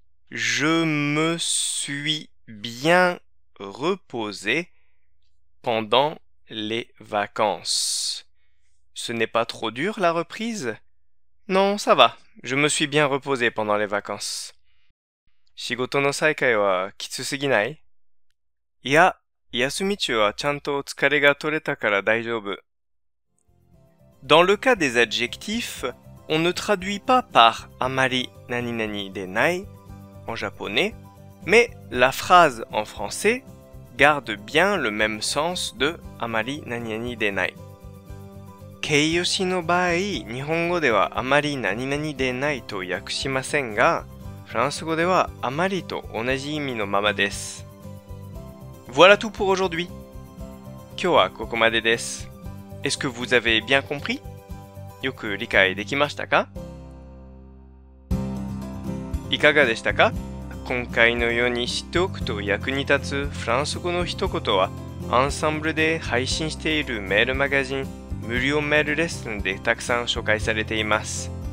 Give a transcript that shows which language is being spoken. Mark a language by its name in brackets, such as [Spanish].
[French] Je me suis bien reposé pendant les vacances. Ce n'est pas trop dur la reprise? Non, ça va. Je me suis bien reposé pendant les vacances. [Japanese] 仕事の再開はきつすぎない? いや休み中はちゃんと疲れが取れたから大丈夫。 [French] Dans le cas des adjectifs, on ne traduit pas par [Japanese] あまり何々でない [French] en japonais, mais la phrase en français garde bien le même sens de あまり何々でない。 [Japanese] 形容詞の場合、日本語ではあまり何々でないと訳しませんが、フランス語ではあまりと同じ意味のままです。 [French] Voilà tout pour aujourd'hui. [Japanese] 今日はここまでです。 [French] Est-ce que vous avez bien compris? [Japanese] よく理解できましたか? いかがでしたか? 今回のように知っておくと役に立つフランス語の一言は、アンサンブルで配信しているメールマガジン、無料メールレッスンでたくさん紹介されています。